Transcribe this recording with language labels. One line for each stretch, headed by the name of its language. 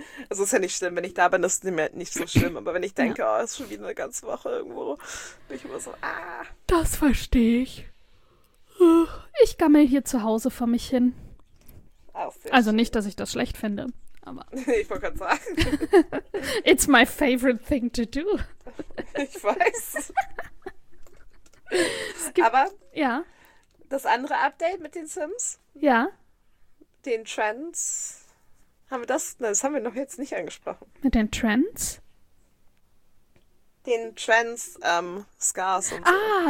German: Also ist ja nicht schlimm, wenn ich da bin, ist es nicht so schlimm. Aber wenn ich denke, oh, ist schon wieder eine ganze Woche irgendwo, bin ich immer so, Das verstehe ich. Ich gammel hier zu Hause vor mich hin. Also nicht, dass ich das schlecht finde, aber... Ich wollte gerade sagen.
English: It's my favorite thing to do.
German: Ich weiß. Es gibt, aber ja. Das andere Update mit den Sims? Ja. Den Trends... Haben wir das? Das haben wir noch jetzt nicht angesprochen. Mit den Trends? Den Trends, Scars und ah, so.